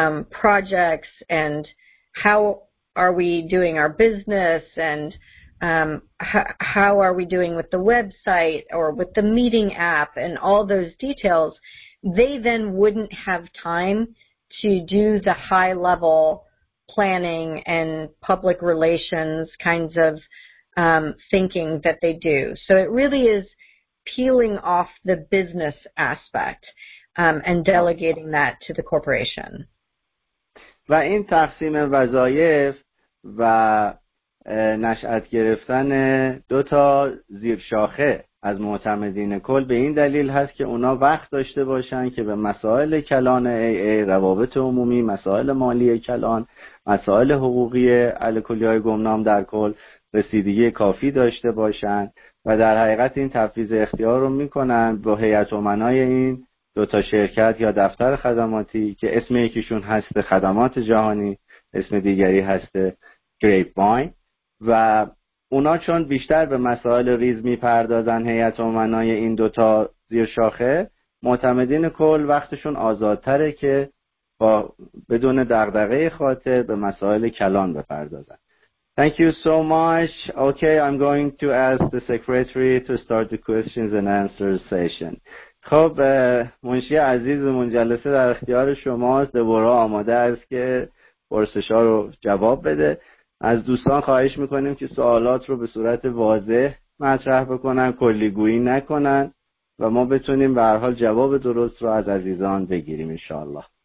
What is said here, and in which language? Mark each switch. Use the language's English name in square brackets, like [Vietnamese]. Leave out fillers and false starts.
[English] projects and how are we doing our business and how are we doing with the website or with the meeting app and all those details, they then wouldn't have time to do the high level planning and public relations kinds of thinking that they do. So it really is peeling off the business aspect and delegating that to the corporation. [Persian] و این تقسیم وظایف و نشأت گرفتن دو تا زیر شاخه از معتمدین کل به این دلیل هست که اونا وقت داشته باشن که به مسائل کلان AA، روابط عمومی، مسائل مالی کلان، مسائل حقوقی الکلی‌های گمنام در کل رسیدگی کافی داشته باشن و در حقیقت این تفویض اختیار رو میکنن با هیئت امنای این دو تا شرکت یا دفتر خدماتی که اسم یکیشون هست خدمات جهانی، اسم دیگری هست گریپ واین، و اونا چون بیشتر به مسائل ریز میپردازن هیئت امنای این دو تا زیر شاخه، معتمدین کل وقتشون آزادتره که با بدون دغدغه خاطر به مسائل کلان بپردازن. [English] Thank you so much. Okay, I'm going to ask the secretary to start the questions and answers session. [Persian] خب منشی عزیز، جلسه در اختیار شماست. دبورا آماده است که پرسش‌ها رو جواب بده. از دوستان خواهش میکنیم که سوالات رو به صورت واضح مطرح بکنن، کلیگویی نکنن و ما بتونیم به هر حال جواب درست رو از عزیزان بگیریم انشاءالله.